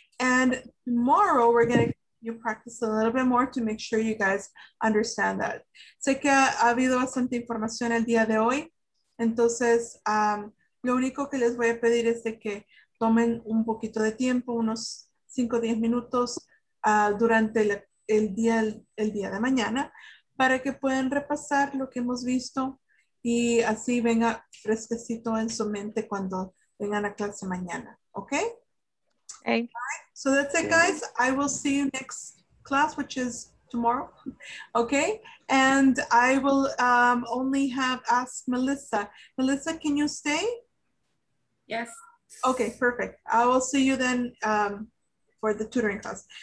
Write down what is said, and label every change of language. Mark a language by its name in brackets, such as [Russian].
[English] And tomorrow, we're going to practice a little bit more to make sure you guys understand that. [Spanish] Sé que ha habido bastante información el día de hoy. Entonces, lo único que les voy a pedir es de que tomen un poquito de tiempo, unos 5 o 10 minutos durante el día de mañana, para que puedan repasar lo que hemos visto y así venga fresquecito en su mente cuando vengan a clase mañana, ¿okay? [English] Okay. All right. So that's it, guys. I will see you next class, which is tomorrow, okay? And I will only have asked Melissa. Melissa, can you stay? Yes. Okay, perfect. I will see you then for the tutoring class.